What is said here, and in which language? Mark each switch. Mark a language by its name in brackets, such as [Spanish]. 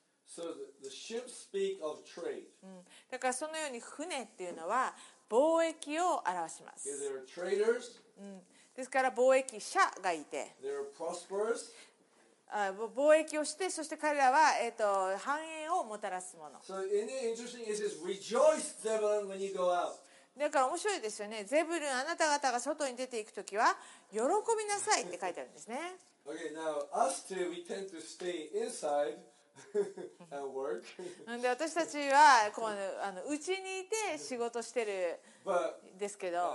[English] So the ships speak of trade. [Japanese] うん、だからそのように船っていうのは貿易を表します。 [English] There are traders. [Japanese] うん、ですから貿易者がいて、 [English] They're prosperous. [Japanese] 貿易をして、そして彼らは、繁栄をもたらすもの。 [English] So, interesting is this, rejoice, Zebulun, when you go out. [Japanese] だから面白いですよね。ゼブルン、あなた方が外に出ていくときは喜びなさいって書いてあるんですね。 [English] Okay, now us too, we tend to stay inside and work. [Japanese] で私たちはこうあの家にいて仕事してるですけど。